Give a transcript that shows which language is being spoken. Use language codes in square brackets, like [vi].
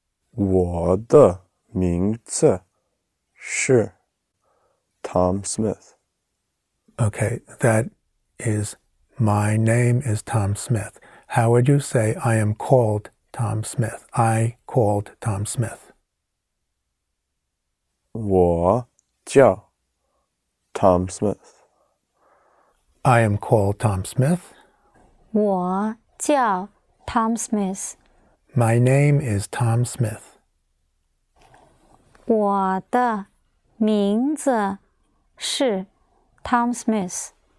[zh] 我的名字是 Tom Smith. [en] Okay, that is my name is Tom Smith. How would you say I am called Tom Smith? I called Tom Smith. [zh] 我叫 Tom Smith. [en] I am called Tom Smith. [zh] 我叫 Tom Smith. [en] My name is Tom Smith. [zh] 我的名字是 Tom Smith.